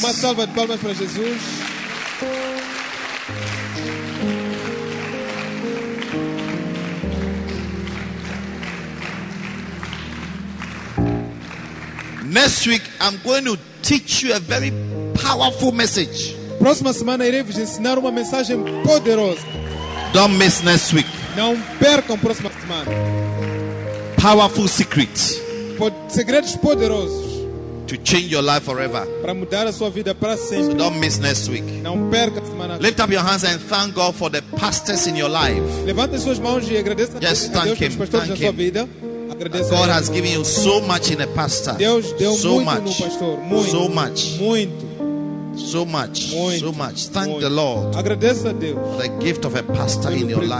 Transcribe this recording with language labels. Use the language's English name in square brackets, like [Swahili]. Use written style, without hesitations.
[Portuguese] Uma salva de palmas para Jesus. [English] Next week I'm going to teach you a very powerful message. [Portuguese] Próxima semana irei vos ensinar uma mensagem poderosa. [English] Don't miss next week. [Portuguese] Não percam próxima semana. [English] Powerful secret. [Portuguese] Segredos poderosos. [English] To change your life forever. [Portuguese] Para mudar a sua vida para sempre. [English] So don't miss next week. [Portuguese] Não perca semana. [English] Lift up your hands and thank God for the pastors in your life. [Portuguese] Levante suas mãos e agradeça a Deus pelos pastores da sua vida. [English] God has given you so much in a pastor. [Portuguese] Deus deu [English] so [Portuguese] muito [English] much. [Portuguese] No pastor. Muito. [English] So much. [Portuguese] Muito. [English] So much. [Portuguese] Muito. [English] So much. Thank [Portuguese] muito. [English] The Lord. [Portuguese] Agradeça a Deus. [English] For the gift of a pastor in your life.